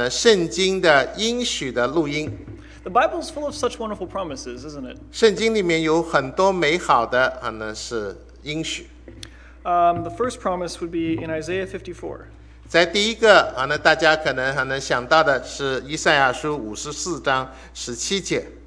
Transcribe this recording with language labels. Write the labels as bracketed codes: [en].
[zh] 少师母跟少牧师最近还能一起在听一个圣经的应许的录音。 [en] The Bible is full of such wonderful promises, isn't it? [zh] 圣经里面有很多美好的应许。 [en] The first promise would be in Isaiah 54. [zh] 在第一个，大家可能还能想到的是以赛亚书54章17节。